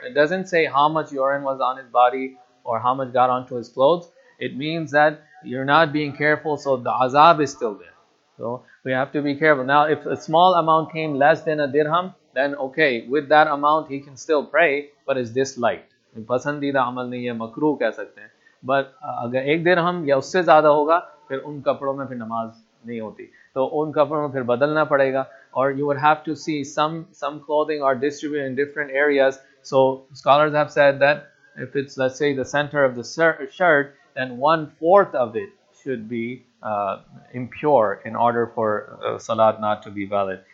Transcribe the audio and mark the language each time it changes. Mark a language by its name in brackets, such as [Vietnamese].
[English] It doesn't say how much urine was on his body or how much got onto his clothes. It means that you're not being careful, so the azab is still there. So we have to be careful. Now, if a small amount came less than a dirham, then okay, with that amount he can still pray, but it's disliked. [Urdu] پسندیدہ عمل نہیں ہے، مکروہ کہہ سکتے ہیں۔ But اگر ایک درہم یا اس سے زیادہ ہوگا، پھر ان کپڑوں میں پھر نماز نہیں ہوتی۔ سو ان کپڑوں میں پھر بدلنا پڑے گا۔ [English] Or you would have to see some clothing are distributed in different areas. So scholars have said that if it's, let's say, the center of the shirt, then 1/4 of it should be impure in order for salat not to be valid.